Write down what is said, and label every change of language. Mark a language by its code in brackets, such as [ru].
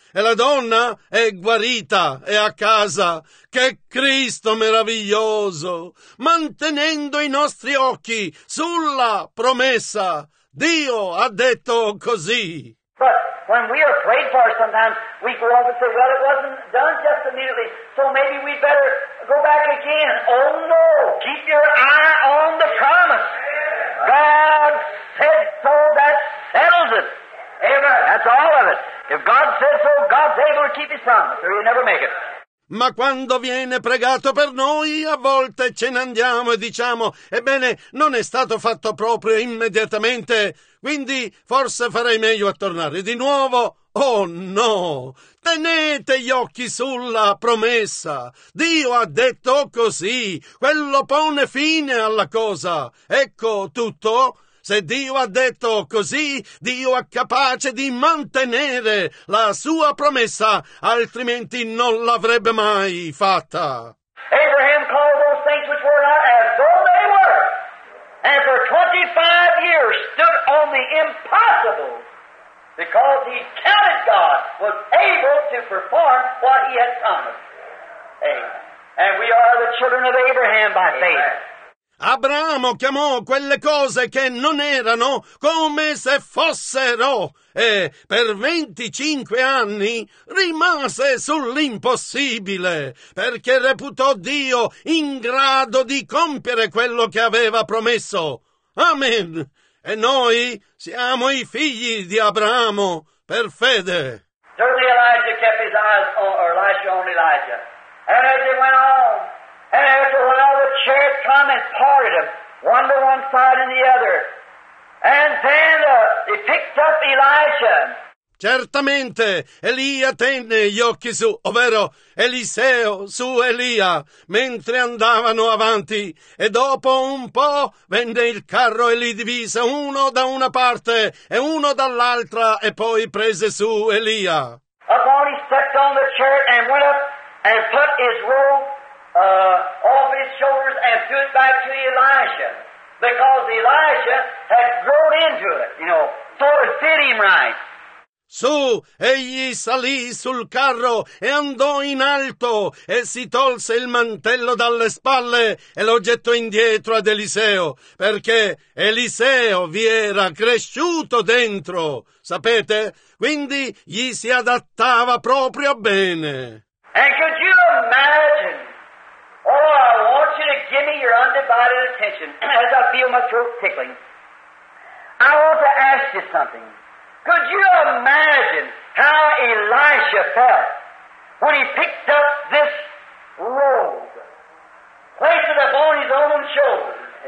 [it] E la donna è guarita e a casa. Che Cristo meraviglioso! Mantenendo i nostri occhi sulla promessa. Dio ha detto così. [en] But when we are prayed for, sometimes we go off and say, well, it wasn't done just immediately, so maybe we better go back again. Oh, no, keep your eye on the promise. God said so, that settles it. Amen. That's all of it. If God said so, God's able to keep his promise, or he'll never make it. [it] Ma quando viene pregato per noi, a volte ce ne andiamo e diciamo, ebbene, non è stato fatto proprio immediatamente, quindi forse farei meglio a tornare di nuovo. Oh no! Tenete gli occhi sulla promessa! Dio ha detto così! Quello pone fine alla cosa! Ecco tutto! Se Dio ha detto così, Dio è capace di mantenere la sua promessa, altrimenti non l'avrebbe mai fatta. [en] Abraham called those things which were not as though they were, and for 25 years stood on the impossible, because he counted God was able to perform what he had promised. Amen. And we are the children of Abraham by faith. Amen. [it] Abramo chiamò quelle cose che non erano come se fossero e per 25 anni rimase sull'impossibile perché reputò Dio in grado di compiere quello che aveva promesso. Amen. E noi siamo i figli di Abramo per fede. [en] Certainly Elijah kept his eyes on, or Elisha on Elijah. And as he went on, and after a while the chariot come and parted them, one to one side and the other. And then he picked up Elijah. [it] Certamente Elia tenne gli occhi su, ovvero Eliseo su Elia, mentre andavano avanti. E dopo un po' venne il carro e li divise uno da una parte e uno dall'altra e poi prese su Elia. [en] Upon he stepped on the chariot and went up and put his robe off his shoulders and threw it back to Elisha, because Elisha had grown into it, you know, so it fit him right. [it] Su, egli salì sul carro e andò in alto e si tolse il mantello dalle spalle e lo gettò indietro ad Eliseo, perché Eliseo vi era cresciuto dentro, sapete? Quindi gli si adattava proprio bene. [en] And could you imagine? Oh, I want you to give me your undivided attention as I feel my throat tickling. I want to ask you something. Could you imagine how Elisha felt when he picked up this robe, placed it upon his own shoulders?